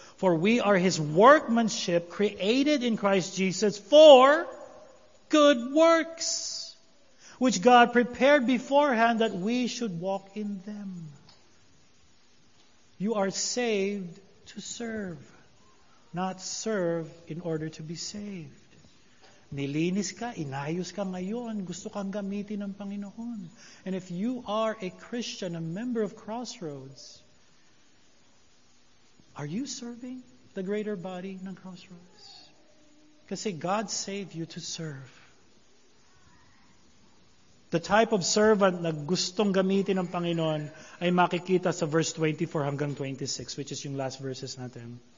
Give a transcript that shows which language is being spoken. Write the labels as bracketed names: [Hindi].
[English] For we are His workmanship, created in Christ Jesus for good works, which God prepared beforehand that we should walk in them. You are saved to serve, not serve in order to be saved. [Filipino] Nilinis ka, inayos ka ngayon, gusto kang gamitin ng Panginoon. [English] And if you are a Christian, a member of Crossroads, are you serving the greater body ng Crossroads? [Filipino] Kasi [English] God saved you to serve. The type of servant [Filipino] na gustong gamitin ng Panginoon ay makikita sa verse 24 hanggang 26, which is yung last verses natin.